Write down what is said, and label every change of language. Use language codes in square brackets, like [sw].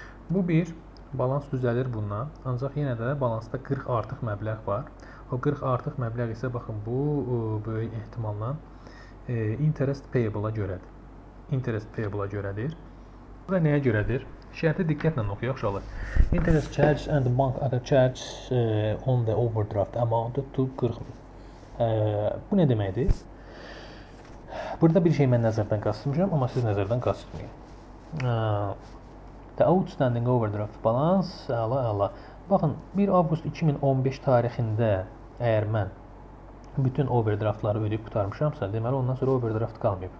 [az] Bu bir, balans düzəlir bununla, ancaq yenə də balansda 40 artıq məbləğ var. O 40 artıq məbləğ isə, baxın, bu böyük ehtimalla interest payable-a görədir. Interest payable-a görədir. Bu da nəyə görədir? Şərti diqqətlə oxuyaq, şalır. [en] Interest charge and bank other charge on the overdraft amount to 40,000. [az] Bu nə deməkdir? Burada bir şey mən nəzərdən qaçırmışam, amma siz nəzərdən qaçırmayın. [en] The outstanding overdraft balance, [az] əla. Baxın, 1 avqust 2015 tarixində əgər mən bütün overdraftları ödəyib qutarmışamsa, deməli ondan sonra overdraft qalmayıb.